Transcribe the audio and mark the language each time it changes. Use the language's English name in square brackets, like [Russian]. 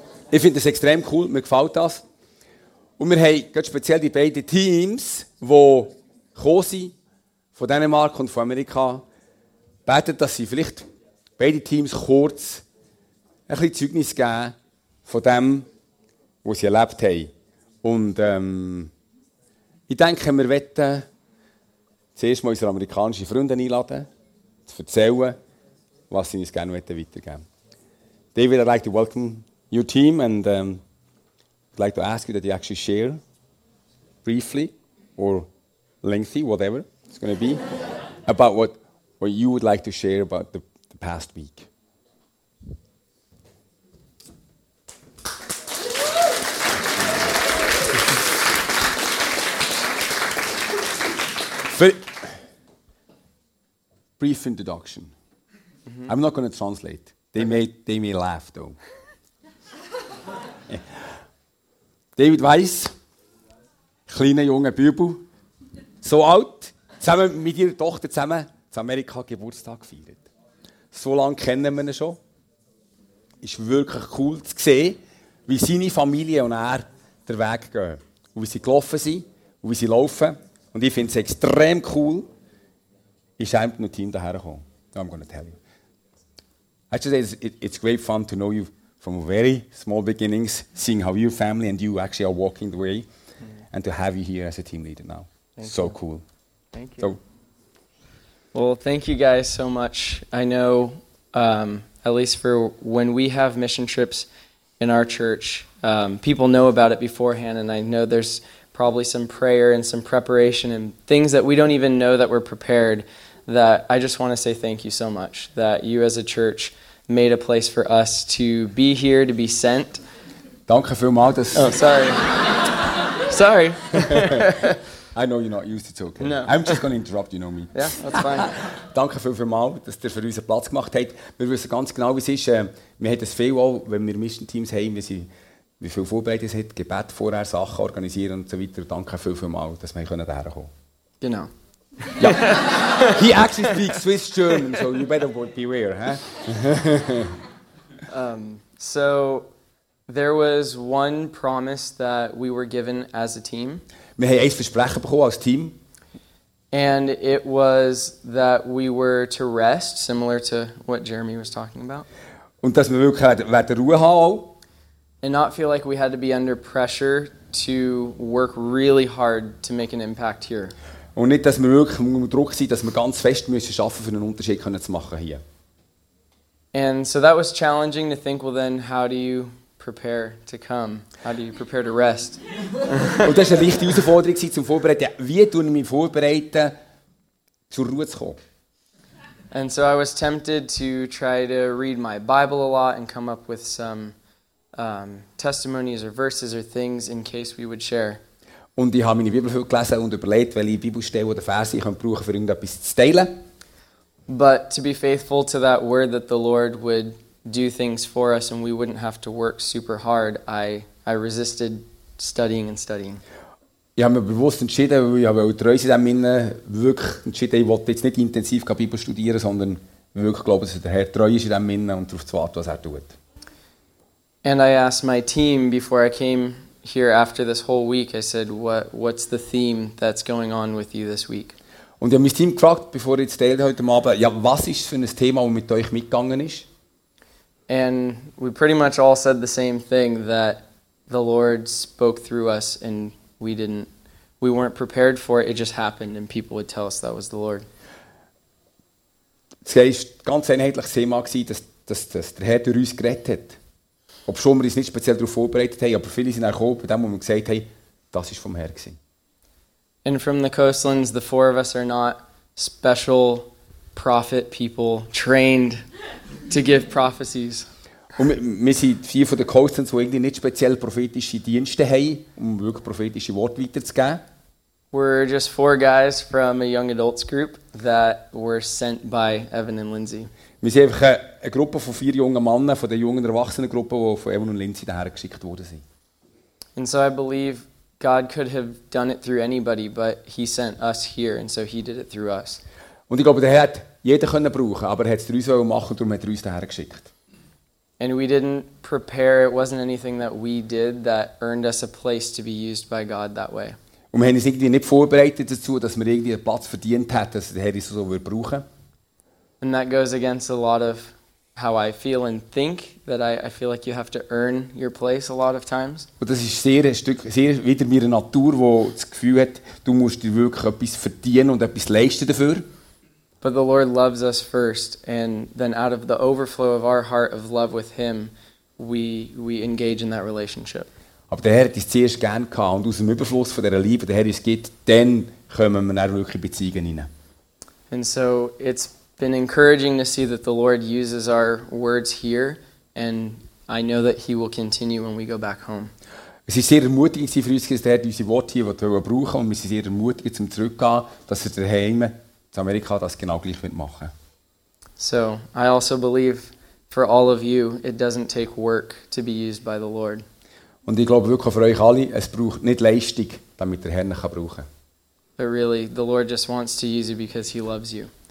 [German] Ich finde das extrem cool, mir gefällt das. Und wir haben ganz speziell die beiden Teams, die gekommen sind, von Dänemark und von Amerika, beten, dass sie vielleicht beide Teams kurz ein bisschen Zeugnis geben von dem, was sie erlebt haben. Und ich denke, wir wollen zuerst mal unsere amerikanischen Freunde einladen, zu erzählen, was sie uns gerne weitergeben möchten. [English] David, I'd like to welcome your team and I'd like to ask you that you actually share briefly or lengthy, whatever it's going to be, about what you would like to share about the past week. Brief introduction. Mm-hmm. I'm not going to translate. They may laugh though. [German] David Weiss, kleiner junger Bübel, so alt, zusammen mit ihrer Tochter zusammen in Amerika Geburtstag gefeiert. So lange kennen wir ihn schon. Ist wirklich cool zu sehen, wie seine Familie und er den Weg gehen. Und wie sie gelaufen sind und wie sie laufen. Und ich finde es extrem cool, ist einem noch Team daher gekommen. [English] I'm going to tell you. I just say it's great fun to know you. From very small beginnings, seeing how your family and you actually are walking the way, and to have you here as a team leader now. Thank so you. Cool. Thank you. So. Well, thank you guys so much. I know, at least for when we have mission trips in our church, people know about it beforehand, and I know there's probably some prayer and some preparation and things that we don't even know that we're prepared, that I just want to say thank you so much, that you as a church made a place for us to be here, to be sent. [German] Danke vielmals, dass... [English] Oh, sorry. Sorry. I know you're not used to talking. No. I'm just going to interrupt, you know me. Yeah, that's fine. [German] Danke vielmals, dass ihr für uns einen Platz gemacht habt. Wir wissen ganz genau, wie es ist. Wir haben das viel auch, wenn wir Mission Teams haben, wie viel Vorbereitung es hat, Gebet vorher, Sachen organisieren und so weiter. Danke vielmals, dass wir hierher kommen können. Genau. Ja. [English] He actually speaks Swiss German, so you better beware, huh? So there was one promise that we were given as a team. [German] Wir haben ein Versprechen bekommen als Team. [English] And it was that we were to rest, similar to what Jeremy was talking about. [German] Und dass wir wirklich werden Ruhe haben auch. [English] And not feel like we had to be under pressure to work really hard to make an impact here. [German] Und nicht, dass wir wirklich unter Druck sind, dass wir ganz fest müssen schaffen, für einen Unterschied können zu machen hier. [English] And so that was challenging to think. Well, then, how do you prepare to come? How do you prepare to rest? [German] Und das ist eine wichtige Herausforderung zum Vorbereiten. Wie tun wir vorbereiten, zur Ruhe zu kommen? [English] And so I was tempted to try to read my Bible a lot and come up with some testimonies or verses or things in case we would share. [German] Und ich habe meine Bibel viel gelesen und überlegt, welche Bibelstelle oder Verse ich brauchen könnte, um irgendetwas zu teilen. [English] But to be faithful to that word that the Lord would do things for us and we wouldn't have to work super hard, I resisted studying and studying. [German] Ich habe mich bewusst entschieden, weil ich habe auch treu sein Minnen, wirklich entschieden, ich wollte jetzt nicht intensiv Bibel studieren, sondern wirklich glauben, dass der Herr treu ist in diesem Minnen und darauf zu warten, was er tut. [English] And I asked my team before I came here after this whole week, I said, what's the theme that's going on with you this week? [German] Und ich habe mein Team gefragt, bevor ich teile heute Abend, ja, was ist für ein Thema, das mit euch mitgegangen ist? [English] And we pretty much all said the same thing, that the Lord spoke through us and we weren't prepared for it, it just happened and people would tell us that was the Lord. [German] Es war ganz einheitlich das Thema, dass der Herr durch uns geredet hat. Ob schon wir uns nicht speziell darauf vorbereitet haben, aber viele sind auch gekommen, bei dem, wo wir gesagt haben, das ist vom Herrn gewesen. [English] And from the coastlands, the four of us are not special prophet people trained to give prophecies. [German] Und wir sind vier von den Coastens, die irgendwie nicht speziell prophetische Dienste haben, um wirklich prophetische Worte weiterzugeben. [English] We're just four guys from a young adults group that were sent by Evan and Lindsay. [German] Wir sind einfach eine Gruppe von vier jungen Männern von der jungen Erwachsenengruppe, die von Evan und Lindsay daher geschickt worden sind. [English] And so I believe God could have done it through anybody, but he sent us here, and so he did it through us. [German] Und ich glaube, der Herr hat jeden können brauchen, aber er hat es drüber machen wollen, und darum hat er uns daher geschickt. [English] And we didn't prepare, it wasn't anything that we did that earned us a place to be used by God that way. [German] Und wir haben uns irgendwie nicht vorbereitet dazu, dass wir irgendwie einen Platz verdient hätten, dass der Herr uns so würde brauchen. [English] And that goes against a lot of how I feel and think, that I feel like you have to earn your place a lot of times. [German] Und das ist sehr ein Stück, sehr wieder meine Natur, wo das Gefühl hat, du musst dir wirklich etwas verdienen und etwas leisten dafür. [English] But the Lord loves us first, and then out of the overflow of our heart of love with him, we engage in that relationship. [German] Aber der Herr hat uns zuerst gern gehabt, und aus dem Überfluss von dieser Liebe, der Herr uns gibt, dann kommen wir dann wirklich in Beziehungen rein. [English] And so it's been encouraging to see that the Lord uses our words here, and I know that he will continue when we go back home. [German] Es ist sehr ermutigend für uns, dass der Herr unsere Worte hier brauchen, und wir sind sehr ermutigend zum Zurückgehen, dass er daheim in Amerika das genau gleich wird machen. [English] So, I also believe for all of you, it doesn't take work to be used by the Lord. [German] Und ich glaube wirklich für euch alle, es braucht nicht Leistung, damit der Herr nicht brauchen kann. [English] But really, the Lord just wants to use you because he loves you.